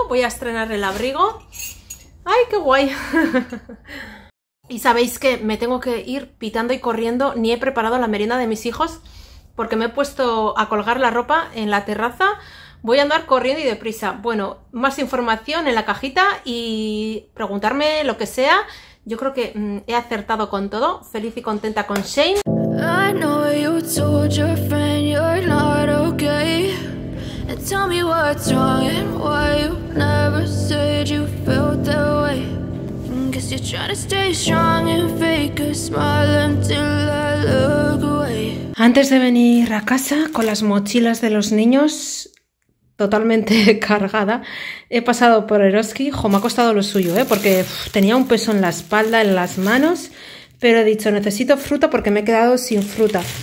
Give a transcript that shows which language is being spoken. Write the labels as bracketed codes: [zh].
[es] Voy a estrenar el abrigo. ¡Ay, qué guay! Y sabéis que me tengo que ir pitando y corriendo. Ni he preparado la merienda de mis hijos porque me he puesto a colgar la ropa en la terraza. Voy a andar corriendo y deprisa. Bueno, más información en la cajita y preguntarme lo que sea. Yo creo que he acertado con todo. Feliz y contenta con Shane. [en] I know you told your friend you're not okay. And tell me what's wrong and why you never said you felt that way. Cause you're trying to stay strong and fake a smile until I look away. [es] Antes de venir a casa con las mochilas de los niños totalmente cargada, he pasado por Eroski. Jo, me ha costado lo suyo, porque tenía un peso en la espalda, en las manos, pero he dicho, necesito fruta porque me he quedado sin fruta.